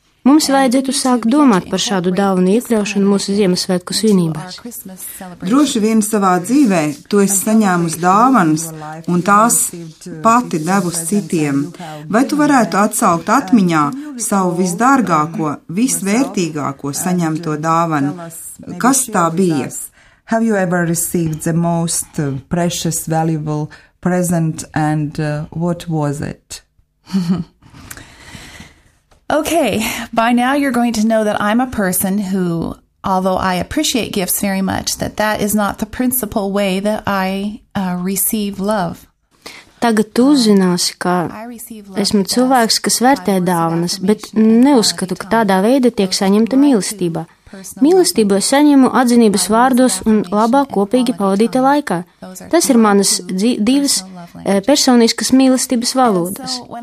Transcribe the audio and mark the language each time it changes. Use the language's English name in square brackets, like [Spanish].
[Latvian] Mums vajadzētu sākt domāt par šādu dāvanu iekļaušanu mūsu Ziemassvētku svinībās. Droši vien savā dzīvē tu esi saņēmus dāvanas un tās pati devus citiem. Vai tu varētu atsaukt atmiņā savu visdārgāko, visvērtīgāko saņemto dāvanu? Kas tā bija? [English] Have you ever received the most precious, valuable present and what was it? Okay, by now you're going to know that I'm a person who, although I appreciate gifts very much, that that is not the principal way that I receive love. [Latvian] Tagad tu uzzināsi, ka esmu cilvēks, kas vērtē dāvanas, bet neuzskatu, ka tādā veidā tiek saņemta mīlestība. Mīlestību es saņemu atzinības vārdos un labā kopīgi pavadīta laikā. Tas ir manas divas personiskas mīlestības valodas.